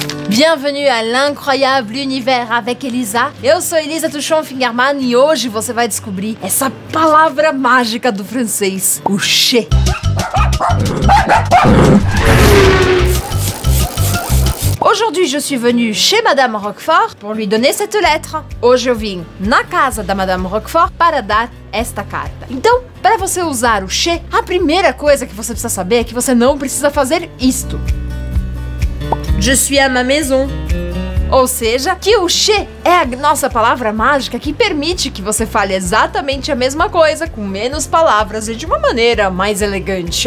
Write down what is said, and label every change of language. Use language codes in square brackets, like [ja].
[fr] Bienvenue à l'incroyable univers avec Elisa. [pt] Eu sou Elisa Tuchon-Fingerman e hoje você vai descobrir essa palavra mágica do francês, o che. [fr] Aujourd'hui, je suis venue chez Madame Roquefort pour lui donner cette lettre. [pt] Hoje eu vim na casa da Madame Roquefort para dar esta carta. Então, para você usar o che, a primeira coisa que você precisa saber é que você não precisa fazer isto. [fr] Je suis à ma maison. [pt] Ou seja, que o che é a nossa palavra mágica que permite que você fale exatamente a mesma coisa, com menos palavras e de uma maneira mais elegante.